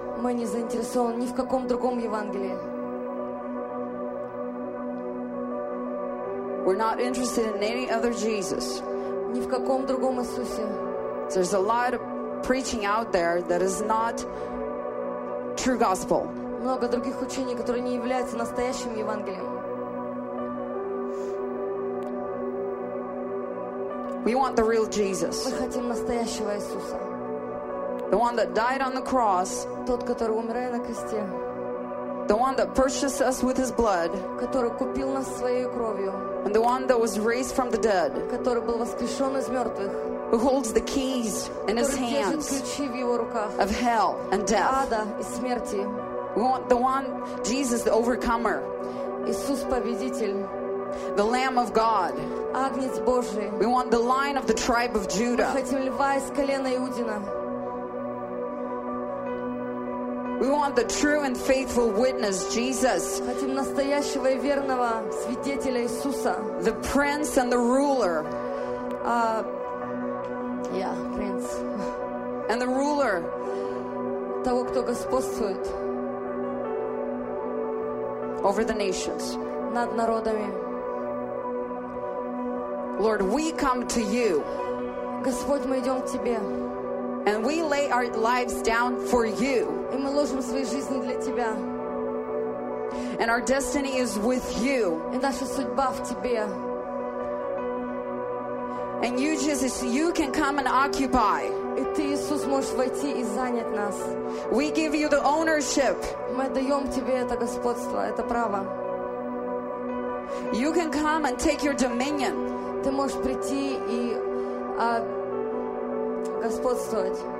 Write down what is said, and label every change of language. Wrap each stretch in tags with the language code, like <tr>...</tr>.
<ru>Мы не заинтересованы ни в каком другом Евангелии.</ru> <en>We're not interested in any other Jesus.</en> <ru>Ни в каком другом Иисусе.</ru> <en>There's a lot of preaching out there that is not true gospel.</en> <ru>Много других учений, которые не являются настоящим Евангелием.</ru> <en>We want the real Jesus.</en> <ru>Мы хотим настоящего Иисуса.</ru> <en>The one that died on the cross.</en> <ru>Тот, который умирает на кресте.</ru> <en>The one that purchased us with his blood.</en> <ru>Который купил нас своей кровью.</ru> <en>And the one that was raised from the dead.</en> <ru>Который был воскрешен из мертвых.</ru> <en>Who holds the keys in his hands.</en> <ru>Который держит ключи в его руках.</ru> <en>Of hell and death.</en> <ru>Ада и смерти.</ru> <en>We want the one, Jesus, the overcomer.</en> <ru>Иисус победитель.</ru> <en>The Lamb of God.</en> <ru>Агнец Божий.</ru> <en>We want the Lion of the tribe of Judah.</en> <ru>Мы хотим льва из колена Иудина.</ru> <en>We want the true and faithful witness, Jesus.</en> <ru>Хотим настоящего и верного свидетеля Иисуса.</ru> <en>The Prince and the Ruler. Prince. And the Ruler.</en> <ru>Того, кто господствует.</ru> <en>Over the nations.</en> <ru>Над народами.</ru> <en>Lord, we come to you.</en> <ru>Господь, мы идем к тебе.</ru> <en>And we lay our lives down for you.</en> <ru>И мы ложим свои жизни для тебя.</ru> <en>And our destiny is with you.</en> <ru>И наша судьба в тебе.</ru> <en>And you, Jesus, you can come and occupy.</en> <ru>И ты, Иисус, можешь войти и занять нас.</ru> <en>We give you the ownership.</en> <ru>Мы даем тебе это господство, это право.</ru> <en>You can come and take your dominion.</en> <ru>Ты можешь прийти и господствовать.</ru>